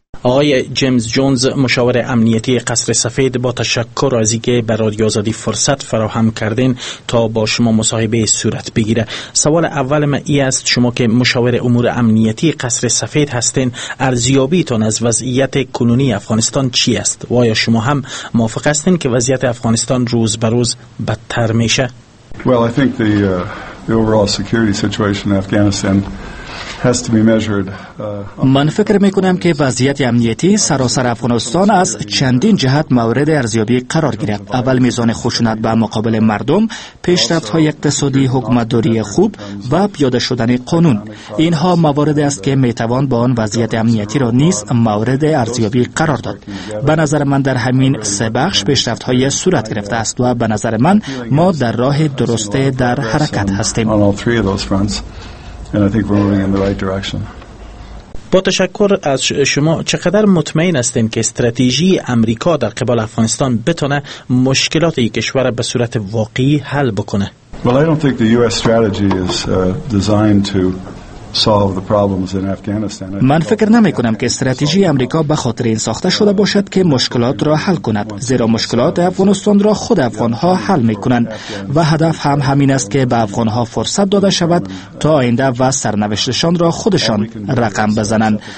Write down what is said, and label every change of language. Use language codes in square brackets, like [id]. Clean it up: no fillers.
[fa] آقای جیمز جونز، مشاور امنیتی قصر سفید، با تشکر از اینکه به رادیو آزادی فرصت فراهم کردین تا با شما مصاحبه صورت بگیره. سوال اول ما این است، شما که مشاور امور امنیتی قصر سفید هستین، ارزیابیتان از وضعیت کنونی افغانستان چی است؟ و آیا شما هم موافق هستین که وضعیت افغانستان روز به روز بدتر میشه؟ [en] The overall security situation in Afghanistan has to be measured. [fa] من فکر میکنم که وضعیت امنیتی سراسر افغانستان از چندین جهت مورد ارزیابی قرار گیرد. اول، میزان خشونت به مقابل مردم، پیشرفت های اقتصادی، حکومتداری خوب و پیاده شدن قانون. اینها مواردی است که میتوان با آن وضعیت امنیتی را نیز مورد ارزیابی قرار داد. به نظر من در همین سه بخش پیشرفت های صورت گرفته است و به نظر من ما در راه درسته در حرکت هستیم. [en] And I think we're moving in the right direction. [fa] با تشکر از شما، چقدر مطمئن هستین که استراتژی آمریکا در قبال افغانستان بتونه مشکلات این کشور به صورت واقعی حل بکنه؟ [en] Well, I don't think the US strategy is designed to solve the problems in Afghanistan. [fa] من فکر نمی کنم که استراتژی آمریکا به خاطر این ساخته شده باشد که مشکلات را حل کند، زیرا مشکلات افغانستان را خود افغان‌ها حل می کنند و هدف هم همین است که به افغان‌ها فرصت داده شود تا آینده و سرنوشتشان را خودشان رقم بزنند.